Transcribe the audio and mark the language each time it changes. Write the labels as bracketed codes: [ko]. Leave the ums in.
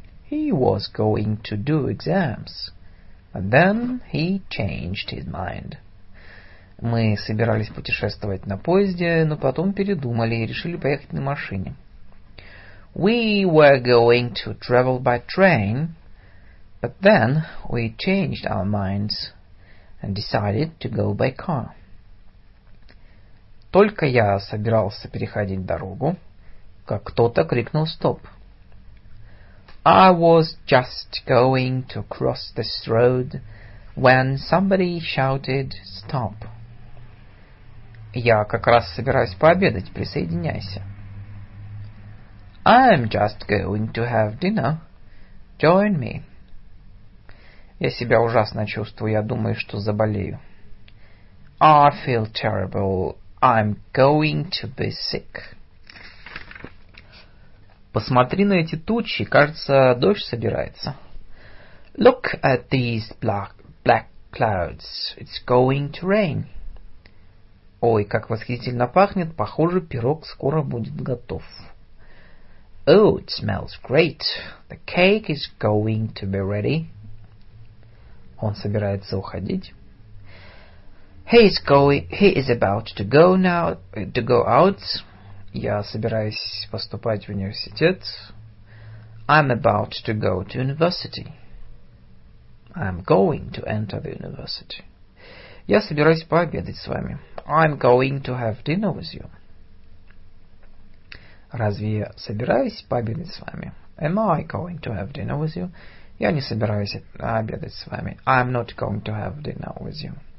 [en] He was going to do exams, but then he changed his mind. [ru] Мы собирались путешествовать на поезде, но потом передумали и решили поехать на машине. [en] We were going to travel by train, but then we changed our minds and decided to go by car. [ru] Только я собирался переходить дорогу, как кто-то крикнул «Стоп!». [en] I was just going to cross this road when somebody shouted «Stop!». [ru] Я как раз собираюсь пообедать, присоединяйся. [en] I'm just going to have dinner. Join me. [ru] Я себя ужасно чувствую, я думаю, что заболею. [en] I feel terrible. I'm going to be sick. [ru] Посмотри на эти тучи, кажется, дождь собирается. [en] Look at these black, black clouds. It's going to rain. [ru] Ой, как восхитительно пахнет, похоже, пирог скоро будет готов. [en] Oh, it smells great. The cake is going to be ready. [ru] Он собирается уходить. [en] He is going, he is about to go now, to go out. [ru] Я собираюсь поступать в университет. [en] I'm about to go to university. I'm going to enter the university. [ru] Я собираюсь пообедать с вами. [en] I'm going to have dinner with you. [ru] Разве я собираюсь пообедать с вами? [en] Am I going to have dinner with you? [ru] Я не собираюсь обедать с вами. [en] I'm not going to have dinner with you.